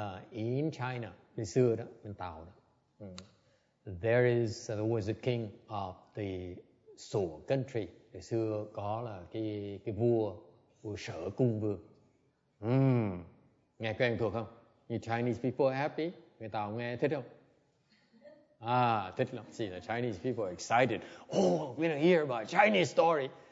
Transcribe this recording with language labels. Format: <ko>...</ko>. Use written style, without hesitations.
<en>In China,</en> <vi>bên xưa đó, bên Tàu đó,</vi> <en>there was a king of the Sửa country.</en> <vi>Bên xưa có là cái vua Sở Cung Vương. Nghe quen thuộc không?</vi> <en>You Chinese people happy?</en> <vi>Người Tàu nghe thích không? Thích lắm.</vi> <en>See, the Chinese people are excited. Oh, we're going to hear about Chinese story.</en>